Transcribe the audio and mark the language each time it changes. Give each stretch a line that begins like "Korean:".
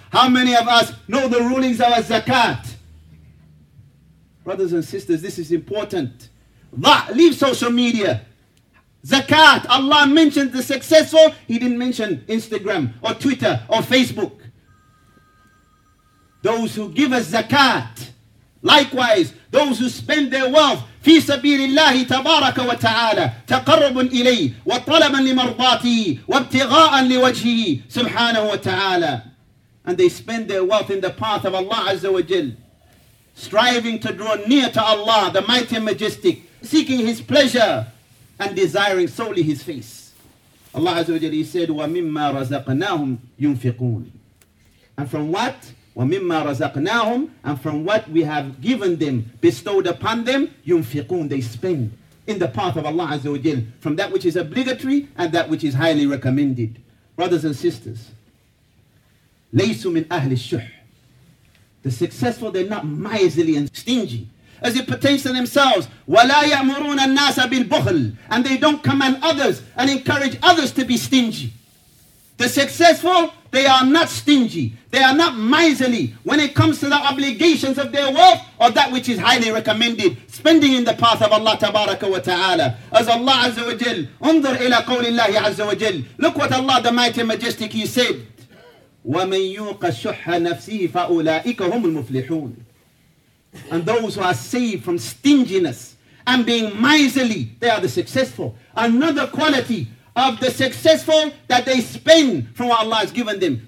English: How many of us know the rulings of a zakat? Brothers and sisters, this is important. Leave social media. Zakat. Allah mentioned the successful. He didn't mention Instagram or Twitter or Facebook. Those who give us zakat. Likewise, those who spend their wealth
Arabic: في سبيل الله تبارك وتعالى تقرب إليه وطلبا لمرضاته وابتغاء لوجهه سبحانه وتعالى.
English: And they spend their wealth in the path of Allah Azza wa Jal, striving to draw near to Allah, the mighty and majestic, seeking His pleasure and desiring solely His face. Allah Azza wa Jal, He said,
Arabic: وَمِمَّا رَزَقْنَاهُمْ يُنْفِقُونَ.
English: And from what?
Arabic: وَمِمَّا رَزَقْنَاهُمْ.
English: And from what we have given them, bestowed upon them,
Arabic: يُنْفِقُونَ.
English: They spend in the path of Allah Azza wa Jal, from that which is obligatory and that which is highly recommended. Brothers and sisters,
Arabic: لَيْسُ مِنْ أَهْلِ الشُّحْ.
English: The successful, they're not miserly and stingy as it pertains to themselves.
Arabic: وَلَا يَأْمُرُونَ النَّاسَ بِالْبُخْلِ.
English: And they don't command others and encourage others to be stingy. The successful, they are not stingy. They are not miserly when it comes to the obligations of their wealth or that which is highly recommended, spending in the path of Allah Tabaraka wa Ta'ala. As Allah Azza wa Jal,
Arabic: انظر إلى قول الله عز وجل.
English: Look what Allah the Mighty and Majestic, He said.
Arabic: وَمَنْ يُوقَ شُحَّ نَفْسِهِ فَأُولَٰئِكَ هُمُ الْمُفْلِحُونَ.
English: And those who are saved from stinginess and being miserly, they are the successful. Another quality of the successful, that they spend from what Allah has given them.